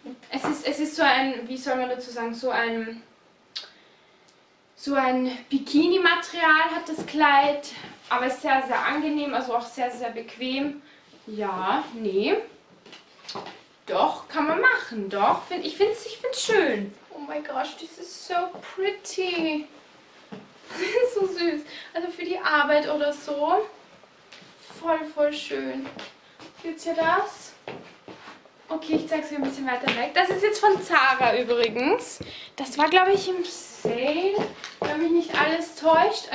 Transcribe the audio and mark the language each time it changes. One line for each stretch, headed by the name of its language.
German: Es ist so ein, wie soll man dazu sagen, so ein Bikini-Material hat das Kleid, aber es ist sehr, sehr angenehm, also auch sehr, sehr bequem. Ja, nee, doch, kann man machen, doch, ich finde es schön.
English: Oh my gosh, this is so pretty.
German: So süß, also für die Arbeit oder so, voll, voll schön. Gibt's ja das? Okay, ich zeig's mir ein bisschen weiter weg. Das ist jetzt von Zara übrigens. Das war, glaube ich, im Sale, wenn mich nicht alles täuscht.